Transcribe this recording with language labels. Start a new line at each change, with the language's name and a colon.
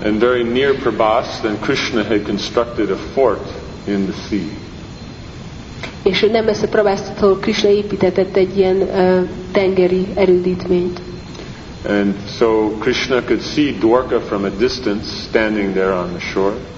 English: And very near Prabhas, then Krishna had constructed a fort in the sea.
Hungarian: És nem messze Prabhastól Krishna építetett egy ilyen tengeri erődítményt.
English: And so Krishna could see Dwarka from a distance standing there on the shore.